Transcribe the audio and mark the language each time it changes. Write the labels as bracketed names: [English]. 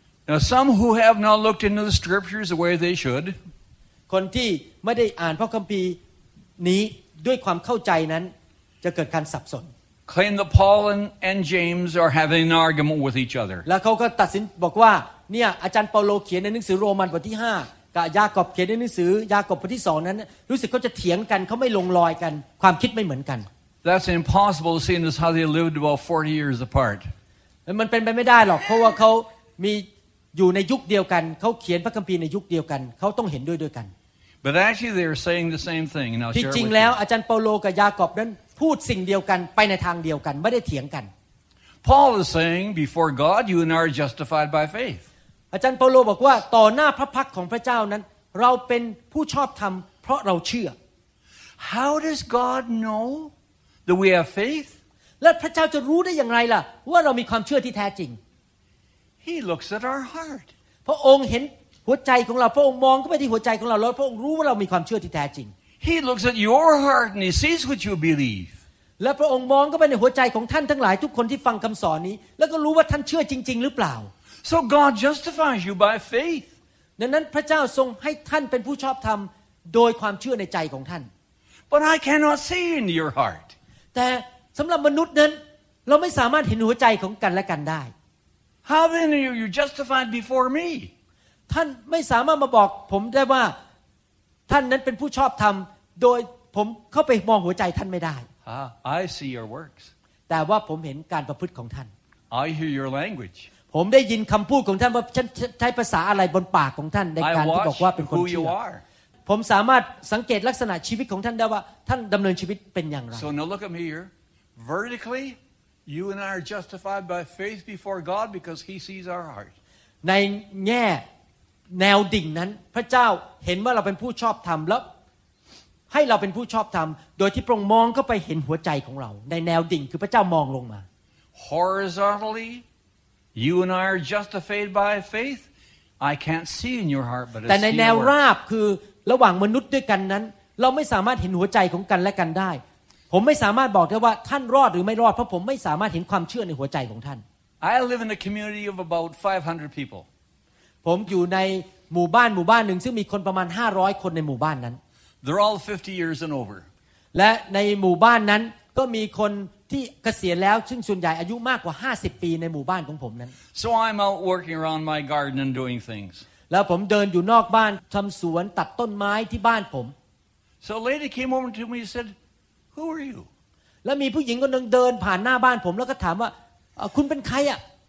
[English] Now some who have not looked into the scriptures the way they should [Thai] คนที่ไม่ได้อ่านพระคัมภีร์นี้ด้วยความเข้าใจนั้นจะเกิดการสับสน [English] Claim that Paul and James are having an argument with each other [Thai] แล้วเขาก็ตัดสินบอกว่าเนี่ยอาจารย์เปาโลเขียนในหนังสือโรมันบทที่5กับยากอบเขียนในหนังสือยากอบบทที่2นั้นรู้สึกเขาจะเถียงกันเขาไม่ลงรอยกันความคิดไม่เหมือนกัน [English] That's impossible seeing as how they lived about 40 years apart [Thai] มันเป็นไปไม่ได้หรอกเพราะว่าเขามีอยู่ในยุคเดียวกันเขาเขียนพระคัมภีร์ในยุคเดียวกันเขาต้องเห็นด้วยกัน [English] But actually they're saying the same thing and I'll share [Thai] จริงแล้วอาจารย์เปาโลกับยากอบนั้นพูดสิ่งเดียวกันไปในทางเดียวกันไม่ได้เถียงกัน [English] Paul is saying before God you and I are justified by faith [Thai] อาจารย์เปาโลบอกว่าต่อหน้าพระพักของพระเจ้านั้นเราเป็นผู้ชอบธรรมเพราะเราเชื่อ [English] How does God know that we have faith [Thai] แล้วพระเจ้าจะรู้ได้อย่างไรล่ะว่าเรามีความเชื่อที่แท้จริง [English] He looks at our heart [Thai] พระองค์เห็นหัวใจของเราพระองค์มองเข้าไปที่หัวใจของเราแล้วพระองค์รู้ว่าเรามีความเชื่อที่แท้จริง [English] He looks at your heart and he sees what you believe [Thai] และพระองค์มองเข้าไปในหัวใจของท่านทั้งหลายทุกคนที่ฟังคำสอนนี้แล้วก็รู้ว่าท่านเชื่อจริงๆหรือเปล่า [English] So God justifies you by faith [Thai] ดังนั้นพระเจ้าทรงให้ท่านเป็นผู้ชอบธรรมโดยความเชื่อในใจของท่าน [English] But I cannot see in your heart [Thai] แต่สำหรับมนุษย์นั้นเราไม่สามารถเห็นหัวใจของกันและกันได้ [English] How then are you justified before me [Thai] ท่านไม่สามารถมาบอกผมได้ว่าท่านนั้นเป็นผู้ชอบธรรมโดยผมเข้าไปมองหัวใจท่านไม่ได้ [English] I see your works. [Thai] แต่ว่าผมเห็นการประพฤติของท่าน [English] I hear your language. [Thai] ผมได้ยินคำพูดของท่านว่าฉันใช้ภาษาอะไรบนปากของท่านในการที่บอกว่าเป็นคนเชื่อผมสามารถสังเกตลักษณะชีวิตของท่านได้ว่าท่านดำเนินชีวิตเป็นอย่างไร [English] So now look at me here. Vertically, you and I are justified by faith before God because He sees our heart. [Thai] ในแง่แนวดิ่งนั้นพระเจ้าเห็นว่าเราเป็นผู้ชอบธรรมแล้วให้เราเป็นผู้ชอบธรรมโดยที่พระองค์มองเข้าไปเห็นหัวใจของเราในแนวดิ่งคือพระเจ้ามองลงมา [English] Horizontally you and I are justified by faith I can't see in your heart but [Thai] แต่ในแนวราบคือระหว่างมนุษย์ด้วยกันนั้นเราไม่สามารถเห็นหัวใจของกันและกันได้ผมไม่สามารถบอกได้ว่าท่านรอดหรือไม่รอดเพราะผมไม่สามารถเห็นความเชื่อในหัวใจของท่าน [English] I live in a community of about 500 people [Thai] ผมอยู่ในหมู่บ้านนึงซึ่งมีคนประมาณ500คนในหมู่บ้านนั้น [English] They're all 50 years and over. [Thai] และในหมู่บ้านนั้นก็มีคนที่เกษียณแล้วซึ่งส่วนใหญ่อายุมากกว่า50ปีในหมู่บ้านของผมนั้น [English] So I'm out working around my garden and doing things. [Thai] แล้วผมเดินอยู่นอกบ้านทำสวนตัดต้นไม้ที่บ้านผม [English] So a lady came over to me and said, "Who are you?" [Thai] แล้วมีผู้หญิงคนนึงเดินผ่านหน้าบ้านผมแล้วก็ถามว่าคุณเป็นใครอ่ะ